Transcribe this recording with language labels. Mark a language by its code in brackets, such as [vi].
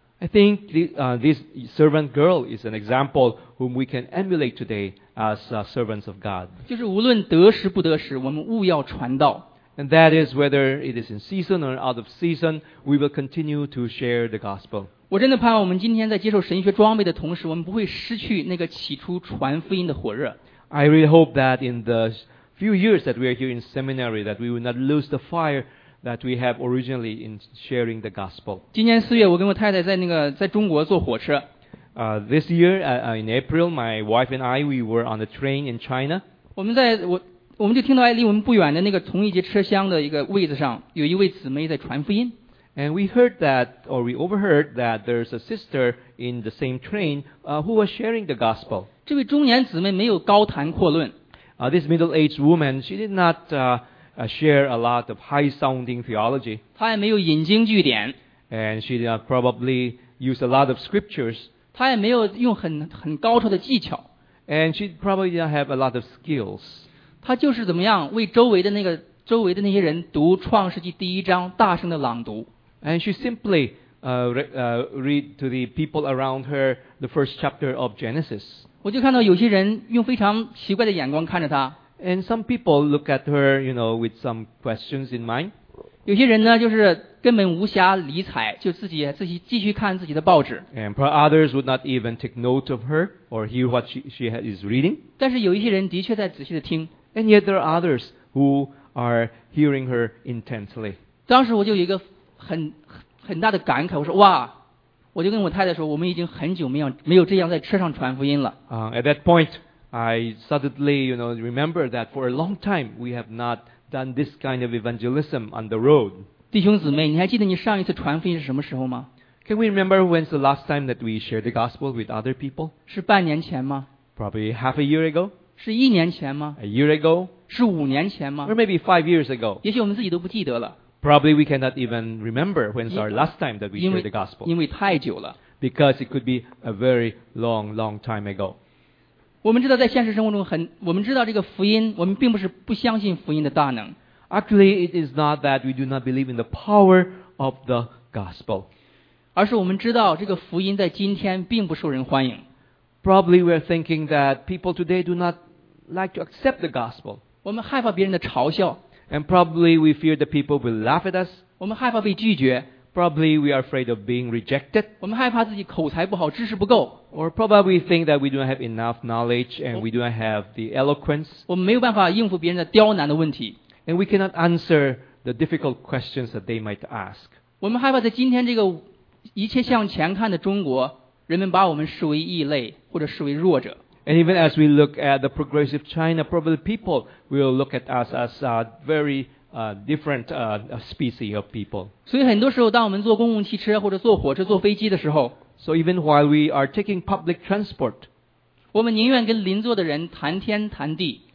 [en] I think this servant girl is an example whom we can emulate today as servants of God. [zh] 就是无论得时不得时，我们务要传道。 [en] And that is whether it is in season or out of season, we will continue to share the gospel. [zh] 我真的盼望我们今天在接受神学装备的同时，我们不会失去那个起初传福音的火热。 [en] I really hope that in the few years that we are here in seminary, that we will not lose the fire. That we have originally in sharing the gospel. [zh] 今年四月，我跟我太太在那个在中国坐火车。 [en] This year, in April, my wife and I, we were on the train in China. [zh] 我们在我们就听到离我们不远的那个同一节车厢的一个位子上，有一位姊妹在传福音。 [en] And we heard that, or we overheard that there's a sister in the same train, who was sharing the gospel. [zh] 这位中年姊妹没有高谈阔论。 [en] This middle-aged woman, she did not. Share a lot of high-sounding theology. [zh] 她也没有引经据典。 [en] And she did not probably use a lot of scriptures. [zh] 她也没有用很高超的技巧。 [en] And she probably did not have a lot of skills. [zh] 她就是怎么样为周围的那些人读《创世纪》第一章，大声的朗读。 [en] And she simply read to the people around her the first chapter of Genesis. [zh] 我就看到有些人用非常奇怪的眼光看着她。 [en] And some people look at her, you know, with some questions in mind. [zh] 有些人呢，就是根本无暇理睬，就自己继续看自己的报纸。 [en] And others would not even take note of her or hear what she is reading. [zh] 但是有一些人的确在仔细的听。 [en] And yet there are others who are hearing her intently. [zh] 当时我就有一个很大的感慨，我说哇。我就跟我太太说，我们已经很久没有这样在车上传福音了。 [en] At that point. I suddenly, you know, remember that for a long time we have not done this kind of evangelism on the road. [zh] 弟兄姊妹，你还记得你上一次传福音是什么时候吗？ [en] Can we remember when's the last time that we shared the gospel with other people? [zh] 是半年前吗？ [en] Probably half a year ago. [zh] 是一年前吗？ [en] A year ago. [zh] 是五年前吗？ [en] Or maybe 5 years ago. [zh] 也许我们自己都不记得了。 [en] Probably we cannot even remember when's our last time that we shared the gospel. [zh] 因为太久了。 [en] Because it could be a very long, long time ago. [zh] 我们知道在现实生活中我们知道这个福音我们并不是不相信福音的大能。 [en] Actually, it is not that we do not believe in the power of the gospel. [zh] 而是我们知道这个福音在今天并不受人欢迎。 [en] Probably we are thinking that people today do not like to accept the gospel. [zh] 我们害怕别人的嘲笑。 [en] And probably we fear that people will laugh at us. [zh] 我们害怕被拒绝。 [en] Probably we are afraid of being rejected. [zh] 我们害怕自己口才不好，知识不够。 [en] Or probably we think that we don't have enough knowledge and we don't have the eloquence. [zh] 我们没有办法应付别人的刁难的问题。 [en] And we cannot answer the difficult questions that they might ask. [zh] 我们害怕在今天这个一切向前看的中国，人们把我们视为异类或者视为弱者。 [en] And even as we look at the progressive China, probably people will look at us as a very different species of people. [zh] 所以很多时候，当我们坐公共汽车或者坐火车、坐飞机的时候 [en] ，So even while we are taking public transport, [zh] 我们宁愿跟邻座的人谈天谈地